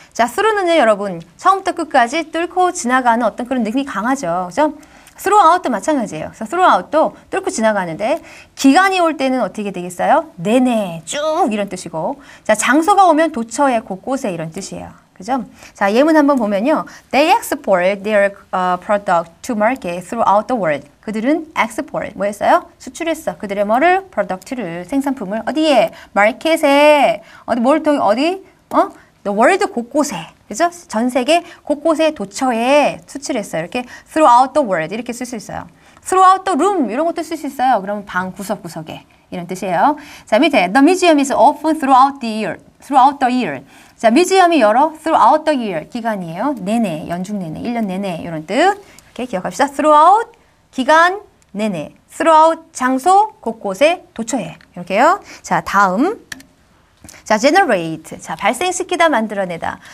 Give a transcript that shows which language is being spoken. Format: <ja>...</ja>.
<ko>자, through는요, 여러분. 처음부터 끝까지 뚫고 지나가는 어떤 그런 느낌이 강하죠. 그죠? throughout도 마찬가지예요. 그래서 throughout도 뚫고 지나가는데 기간이 올 때는 어떻게 되겠어요? 내내 쭉 이런 뜻이고 자 장소가 오면 도처의 곳곳에 이런 뜻이에요. 그죠? 자 예문 한번 보면요.</ko> <en>They export their product to market throughout the world.</en> <ko>그들은 export 뭐 했어요? 수출했어. 그들의 뭐를? product를 생산품을 어디에? market에 어디 뭘 통해 어디? 어? The world 곳곳에 그죠? 전 세계 곳곳에 도처에 수출했어요. 이렇게</ko> <en>throughout the world</en> <ko>이렇게 쓸 수 있어요.</ko> <en>throughout the room</en> <ko>이런 것도 쓸 수 있어요. 그러면 방 구석구석에 이런 뜻이에요. 자 밑에</ko> <en>the museum is open throughout the year. throughout the year.</en> <ko>자 museum이 열어 throughout the year 기간이에요. 내내 연중 내내 1년 내내 이런 뜻 이렇게 기억합시다. throughout 기간 내내 throughout 장소 곳곳에 도처에 이렇게요. 자 다음 자, generate. 자, 발생시키다, 만들어내다.</ko>